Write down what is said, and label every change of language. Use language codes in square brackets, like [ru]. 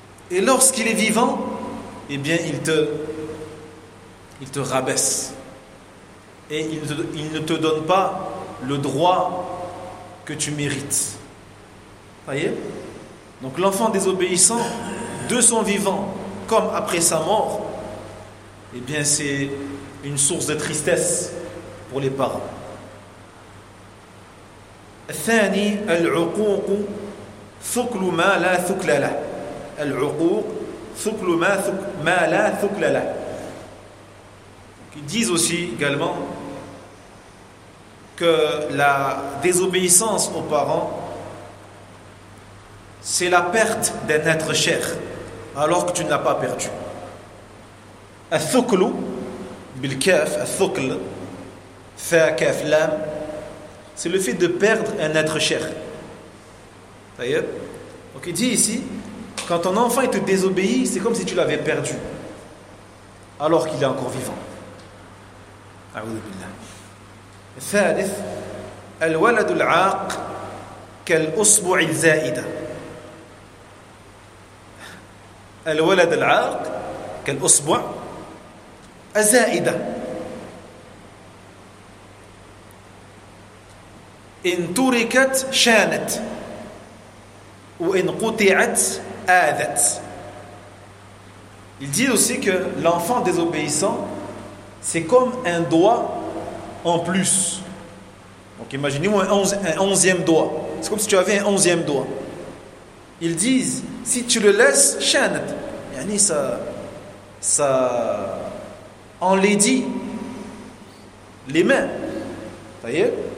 [fr] Et lorsqu'il est vivant, eh bien il te rabaisse et il ne te donne pas le droit que tu mérites. Voyez? Donc l'enfant désobéissant, de son vivant comme après sa mort, eh bien c'est une source de tristesse pour les parents. [ar] الثاني العقوق ثقل ما لا ثقل له. العقوق ثقل ما لا ثقل له. [fr] Ils disent aussi également que la désobéissance aux parents, c'est la perte d'un être cher alors que tu ne l'as pas perdu. [ar] الثقل بالكاف الثقل فا كاف لام. [fr] C'est le fait de perdre un être cher. D'ailleurs, donc il dit ici, quand ton enfant il te désobéit, c'est comme si tu l'avais perdu, alors qu'il est encore vivant. [ar] A'oudhou billah. Thalith, al-walad al-aq kal-usbu' al-za'ida. Al-walad al-aq kal-usbu' al-za'ida. إن تركت شانت وإن قطعت آذت. [fr] Il dit aussi que l'enfant désobéissant, c'est comme un doigt en plus. Donc imaginez-vous un onzième doigt. C'est comme si tu avais un onzième doigt. Ils disent, si tu le laisses, [ar] شانت. يعني [fr] ça enlaidit les mains. Ça y est.